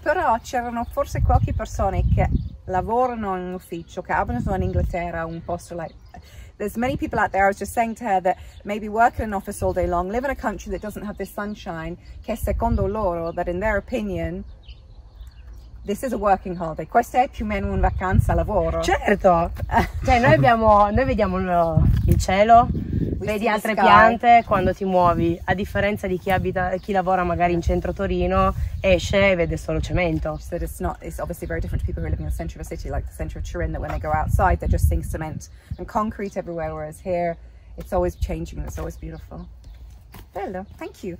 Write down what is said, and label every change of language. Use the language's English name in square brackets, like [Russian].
[Italian] Però c'erano forse qualche persone che lavorano in ufficio, che abitano in Inghilterra, un posto like. [English] There's many people out there, I was just saying to her, that maybe work in an office all day long, live in a country that doesn't have this sunshine, [Italian] che secondo loro, [English] that in their opinion, this is a working holiday. [Italian] Questa è più o meno un vacanza lavoro. Certo! Cioè, noi vediamo il cielo, [English] we [Italian] vedi altre piante quando ti muovi, a differenza di chi abita, chi lavora magari in centro Torino, esce e vede solo cemento. [English] So it's not, it's obviously very different to people who live in the center of a city, like the center of Turin, that when they go outside, they're just seeing cement and concrete everywhere, whereas here, it's always changing and it's always beautiful. Bello, thank you.